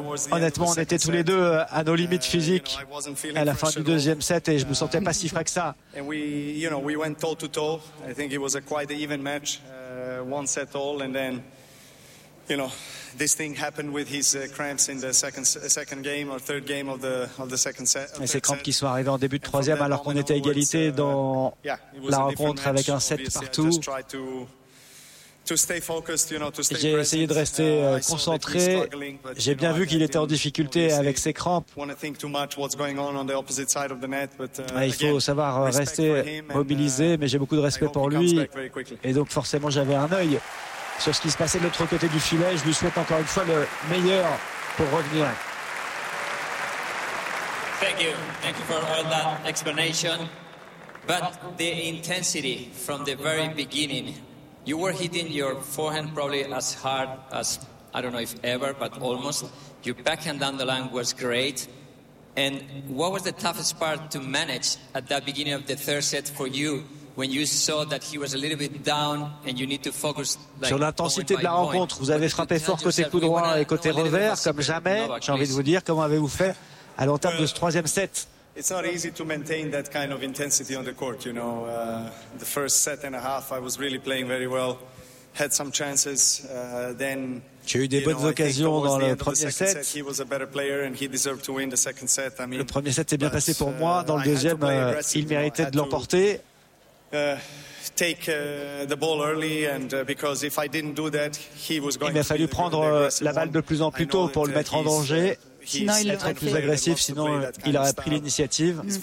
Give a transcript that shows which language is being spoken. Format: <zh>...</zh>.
<fr>Honnêtement, on était tous les deux à nos limites physiques à la fin du deuxième set et je me sentais pas si frais que ça.</fr> <en>And we, you know, we went toe to toe. I think it was a quite even match, one set all, and then, you know, this thing happened with his cramps in the second game or third game of the second set.</en> <fr>Et ces crampes qui sont arrivées en début de troisième alors qu'on était à égalité dans la rencontre avec un set partout. J'ai essayé de rester concentré. J'ai bien vu qu'il était en difficulté avec ses crampes. Il faut savoir rester mobilisé, mais j'ai beaucoup de respect pour lui. Et donc forcément, j'avais un œil sur ce qui se passait de l'autre côté du filet. Je lui souhaite encore une fois le meilleur pour revenir.</fr> <en>Thank you for all that explanation. But the intensity from the very beginning. You were hitting your forehand probably as hard as, I don't know if ever, but almost. Your backhand down the line was great. And what was the toughest part to manage at that beginning of the third set for you when you saw that he was a little bit down and you need to focus?</en> <fr>Like, sur l'intensité de la rencontre, vous avez frappé fort côté coup droit et côté revers, comme jamais. J'ai envie de vous dire, comment avez-vous fait à l'entame de ce troisième set?</fr> <en>It's not easy to maintain that kind of intensity on the court, you know. The first set and a half, I was really playing very well, had some chances. Then,</en> <fr>j'ai eu des bonnes occasions dans le premier set.</fr> <en>He was a better player and he deserved to win the second set. I mean,</en> <fr>le premier set s'est bien passé pour moi. Dans le deuxième, il méritait de l'emporter.</fr> <en>Take the ball early, and because if I didn't do that, he was going to.</en> <fr>Il m'a fallu prendre la balle de plus en plus tôt pour le mettre en danger. Sinon, il être plus agressif, sinon il aurait pris l'initiative.</fr>